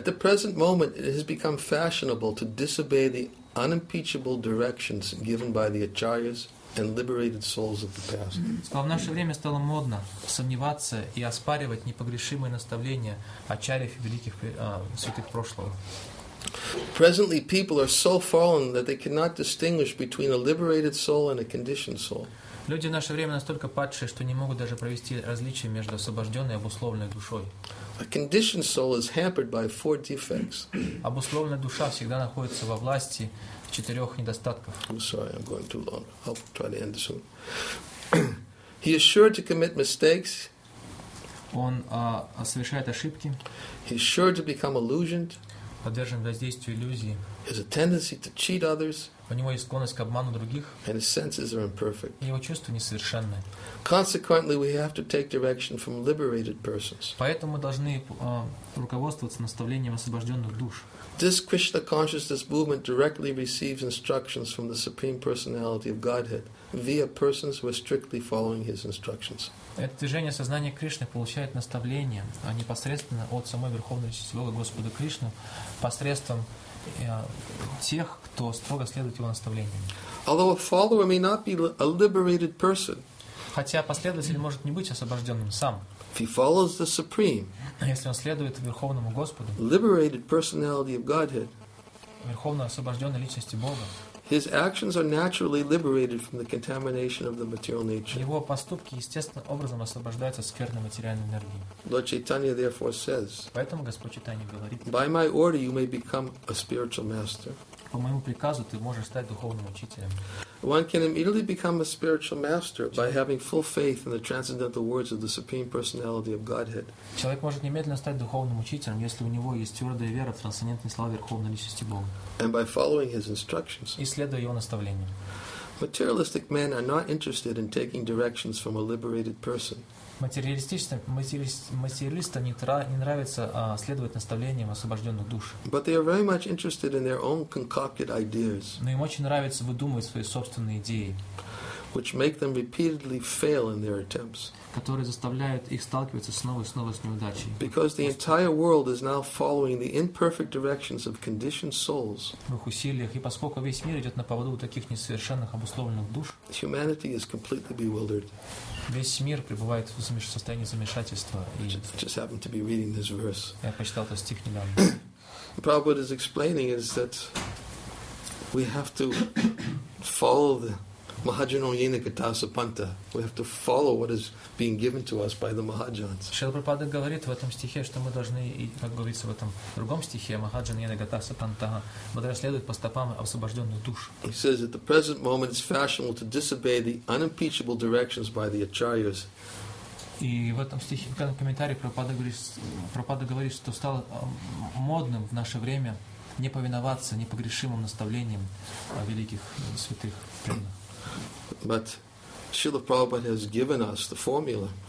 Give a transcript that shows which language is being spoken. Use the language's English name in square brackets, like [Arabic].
[English] At the present moment, it has become fashionable to disobey the unimpeachable directions given by the acharyas. And liberated souls of the past. [Russian] В наше время стало модно сомневаться и оспаривать непогрешимые наставления ачарьев и великих святых прошлого. [English] Presently, people are so fallen that they cannot distinguish between a liberated soul and a conditioned soul. [Russian] Люди в наше время настолько падшие, что не могут даже провести различие между освобожденной и обусловленной душой. [English] A conditioned soul is hampered by four defects. [Russian] Обусловленная душа всегда находится во власти четырех недостатков. [English] I'm sorry, I'm going too long. I'll try to end soon. He is sure to commit mistakes. [Russian] Он совершает ошибки. [English] He is sure to become illusioned. [Russian] Подвержен воздействию иллюзии. [English] He has a tendency to cheat others. [Russian] У него есть склонность к обману других. [English] And his senses are imperfect. [Russian] И его чувства несовершенны. [English] Consequently, we have to take direction from liberated persons. [Russian] Поэтому мы должны руководствоваться наставлением освобожденных душ. [English] This Krishna consciousness movement directly receives instructions from the Supreme Personality of Godhead via persons who are strictly following his instructions. [Russian] Это движение сознания Кришны получает наставление непосредственно от самой Верховной Личности Бога Господа Кришны посредством тех, кто строго следует его наставлениям. [English] Although a follower may not be a liberated person. [Russian] Хотя последователь может не быть освобожденным сам. [English] If he follows the Supreme, [Russian] если он следует Верховному Господу, [English] liberated personality of Godhead, [Russian] Верховной освобожденной личности Бога, [English] his actions are naturally liberated from the contamination of the material nature. [Russian] Его поступки естественным образом освобождаются от скверной материальной энергии. [English] Lord Chaitanya therefore says, [Russian] поэтому Господь Чайтанья говорит, [English] by my order you may become a spiritual master. [Russian] По моему приказу ты можешь стать духовным учителем. [English] One can immediately become a spiritual master by having full faith in the transcendental words of the Supreme Personality of Godhead. [Russian] Человек может немедленно стать духовным учителем, если у него есть твердая вера в трансцендентные слова Верховной Личности Бога. [English] And by following his instructions. [Russian] И следуя его наставлениям. [English] Materialistic men are not interested in taking directions from a liberated person. [Russian] Материалистам не нравится следовать наставлениям освобожденных душ. [English] But they are very much interested in their own concocted ideas. [Russian] Но им очень нравится выдумывать свои собственные идеи. [English] which make them repeatedly fail in their attempts. [Russian] Которые заставляют их сталкиваться снова и снова с неудачей. [English] Because the entire world is now following the imperfect directions of conditioned souls. [Russian] В их усилиях, и поскольку весь мир идет на поводу таких несовершенных обусловленных душ. [English] Humanity is completely bewildered. [Russian] Весь мир пребывает в состоянии замешательства. [English] Just happened to be reading this verse. [Russian] Я почитал этот стих недавно. [English] Prabhupada is explaining is that we have to follow the [Sanskrit] Mahajano Yena Katasapanta. [English] We have to follow what is being given to us by the Mahajans. [Russian] Шрила Прабхупада говорит в этом стихе, что мы должны, как говорится в этом другом стихе, [Sanskrit] Mahajano Yena Katasapanta, [Russian] мы должны следовать по стопам освобожденных душ. [English] He says, at the present moment it's fashionable to disobey the unimpeachable directions by the Acharyas. [Russian] И в этом стихе, в этом комментарии Прабхупада говорит, что стало модным в наше время не повиноваться непогрешимым наставлениям великих святых преданных. [English] But Srila Prabhupada has given us the formula.